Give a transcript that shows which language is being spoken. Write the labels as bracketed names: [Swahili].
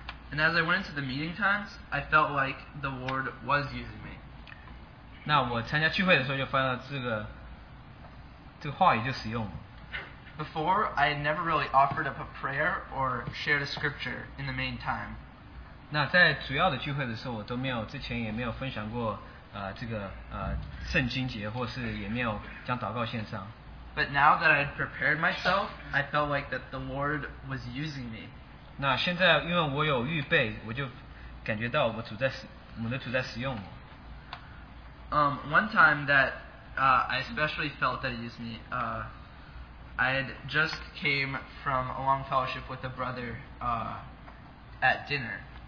[English] And as I went into the meeting times, I felt like the Lord was using me. [Chinese] 那我参加聚会的时候就发现这个话语就使用了。 [English] Before, I had never really offered up a prayer or shared a scripture in the main time. [Chinese] 那在主要的聚会的时候，我都没有之前也没有分享过这个圣经节，或是也没有将祷告献上。 [English] But now that I had prepared myself, I felt like that the Lord was using me. [Chinese] 那现在因为我有预备，我就感觉到我们的主在使用我。 [English] One time that I especially felt that he used me, I had just came from a long fellowship with a brother at dinner.